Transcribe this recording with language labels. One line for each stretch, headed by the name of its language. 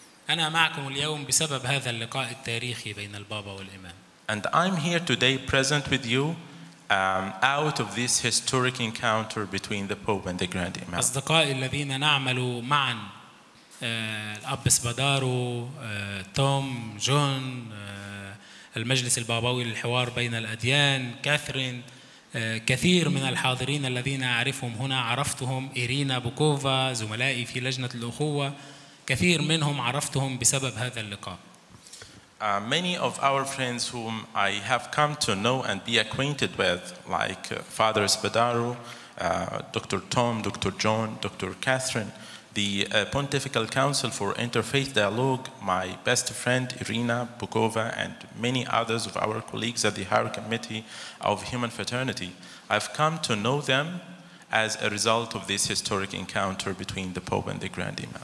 Arabic: أنا معكم اليوم بسبب هذا اللقاء التاريخي بين البابا والإمام.
English: And I'm here today present with you out of this historic encounter between the Pope and the Grand Imam.
Arabic: أصدقائي الذين نعمل معا الأب سبادارو توم جون المجلس الباباوي للحوار بين الأديان كاثرين كثير من الحاضرين الذين أعرفهم هنا عرفتهم إيرينا بوكوفا زملائي في لجنة الأخوة كثير منهم عرفتهم بسبب هذا اللقاء.
English: Many of our friends whom I have come to know and be acquainted with, like Father Spadaro, Dr. Tom, Dr. John, Dr. Catherine, the Pontifical Council for Interfaith Dialogue, my best friend Irina Bukova, and many others of our colleagues at the Higher Committee of Human Fraternity, I've come to know them as a result of this historic encounter between the Pope and the Grand Imam.